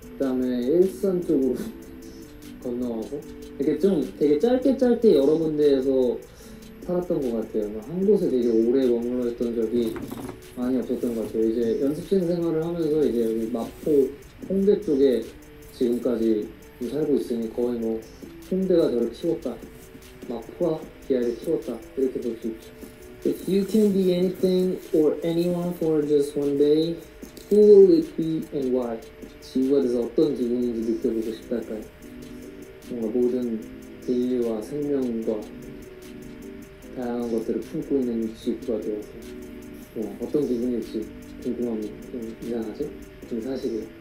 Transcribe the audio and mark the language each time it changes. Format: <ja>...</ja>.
<ko>그 다음에 일산 쪽으로 건너와서 이렇게 좀 되게 짧게 여러 군데에서 살았던 것 같아요. 한 곳에 되게 오래 머물러 있던 적이 많이 없었던 것 같아요. 이제 연습생 생활을 하면서 이제 여기 마포 홍대 쪽에 지금까지 살고 있으니 거의 뭐 홍대가 저를 키웠다. 마포와 비아를 키웠다. 이렇게 볼 수 있죠.</ko> <en>If you can be anything or anyone for just one day, who will it be and why?</en> <ko>지구가 돼서 어떤 기분인지 느껴보고 싶달까요? 뭔가 모든 인류와 생명과 다양한 것들을 품고 있는 지구가 되어서 어떤 기분일지 궁금합니다. 이상하죠? 좀 사실이에요.</ko>